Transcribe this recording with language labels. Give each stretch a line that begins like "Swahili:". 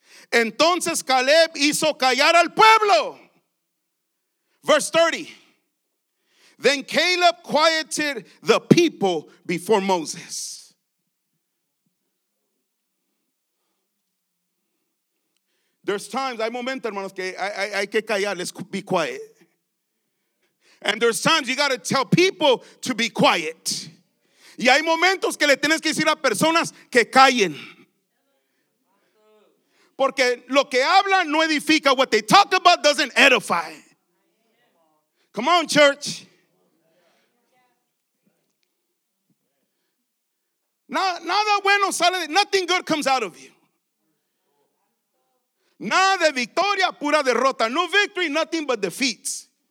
Spanish: Entonces Caleb hizo callar al pueblo.
English: Verse 30. Then Caleb quieted the people before Moses. There's times,
Spanish: hay momentos, hermanos, que hay que callar.
English: Let's be quiet. And there's times you got to tell people to be quiet.
Spanish: Y hay momentos que le tienes que decir a personas que callen. Porque lo que hablan no edifica.
English: What they talk about doesn't edify. Come on, church.
Spanish: Nada bueno sale de.
English: Nothing good comes out of you.
Spanish: Nada de victoria, pura derrota.
English: No victory, nothing but defeats.